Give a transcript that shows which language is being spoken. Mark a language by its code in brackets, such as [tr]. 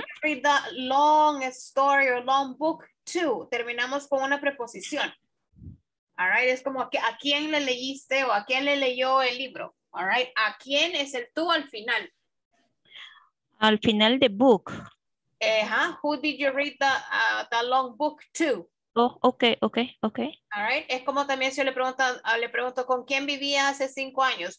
[en] you read that long story or long book to? [es] Terminamos con una preposición. All right, es como a quién le leíste o a quién le leyó el libro. All right, ¿a quién es el tú al final? Al final de book. [en] Ajá, who did you read the long book to? Oh, okay, okay, okay. [es] All right, es como también si yo le pregunto con quién vivía hace 5 años.